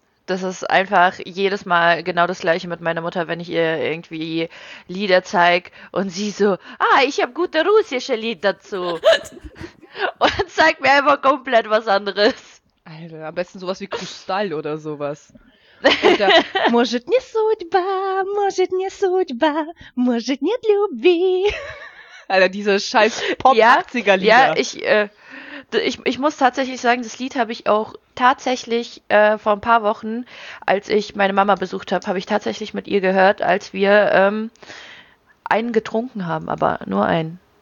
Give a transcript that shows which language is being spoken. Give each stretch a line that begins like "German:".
German: Das ist einfach jedes Mal genau das Gleiche mit meiner Mutter, wenn ich ihr irgendwie Lieder zeig und sie so, ah, ich habe gute russische Lied dazu. Und zeigt mir einfach komplett was anderes. Alter, am besten sowas wie Kristall oder sowas. Oder
Russian: может не судьба, может не судьба, может нет любви.
German: Alter, diese scheiß Pop-80er-Lieder. Ja, ich muss tatsächlich sagen, das Lied habe ich auch tatsächlich vor ein paar Wochen, als ich meine Mama besucht habe, habe ich tatsächlich mit ihr gehört, als wir einen getrunken haben, aber nur einen.